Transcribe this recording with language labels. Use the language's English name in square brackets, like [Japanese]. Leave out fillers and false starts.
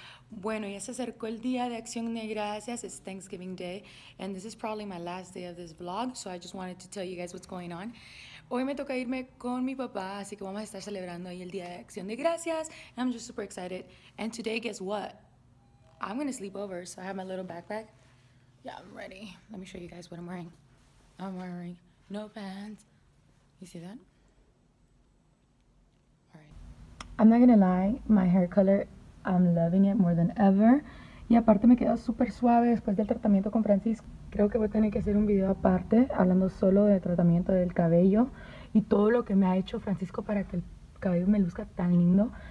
[Spanish] Bueno, ya se acercó el día de Acción de Gracias. [English] It's Thanksgiving Day, and this is probably my last day of this vlog, so I just wanted to tell you guys what's going on. [Spanish] Hoy me toca irme con mi papá, así que vamos a estar celebrando ahí el día de Acción de Gracias. [English] And I'm just super excited. And today, guess what? I'm gonna sleep over, so I have my little backpack. Yeah, I'm ready. Let me show you guys what I'm wearing. I'm wearing no pants. You see that? All right. I'm not gonna lie, my hair color, I'm loving it more than ever. [Spanish] Y aparte me queda súper suave después del tratamiento con Francis. Creo que voy a tener que hacer un video aparte hablando solo del tratamiento del cabello y todo lo que me ha hecho Francisco para que el cabello me luzca tan lindo.